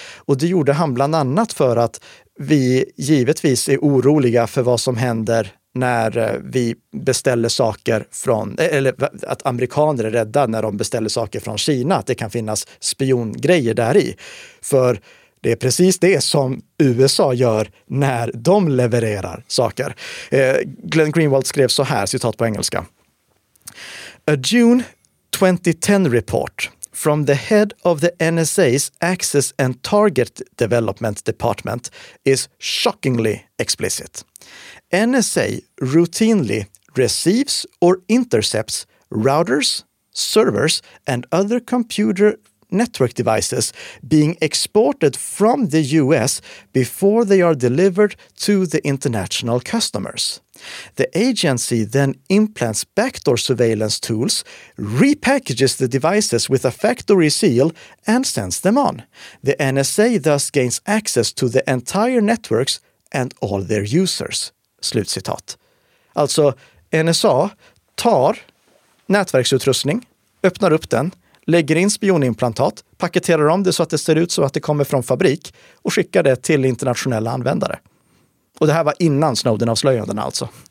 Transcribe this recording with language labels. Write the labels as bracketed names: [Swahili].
[Swedish] Och det gjorde han bland annat för att vi givetvis är oroliga för vad som händer när vi beställer saker från, eller att amerikaner är rädda när de beställer saker från Kina, att det kan finnas spiongrejer där i. För det är precis det som USA gör när de levererar saker. Glenn Greenwald skrev så här, citat på engelska. [English] A June 2010 report from the head of the NSA's Access and Target Development Department is shockingly explicit. NSA routinely receives or intercepts routers, servers and other computer network devices being exported from the US before they are delivered to the international customers. The agency then implants backdoor surveillance tools, repackages the devices with a factory seal, and sends them on. The NSA thus gains access to the entire networks and all their users. [Swedish] Slutcitat. Alltså, NSA tar nätverksutrustning, öppnar upp den, lägger in spionimplantat, paketerar om det så att det ser ut som att det kommer från fabrik och skickar det till internationella användare. Och det här var innan Snowden-avslöjandena alltså.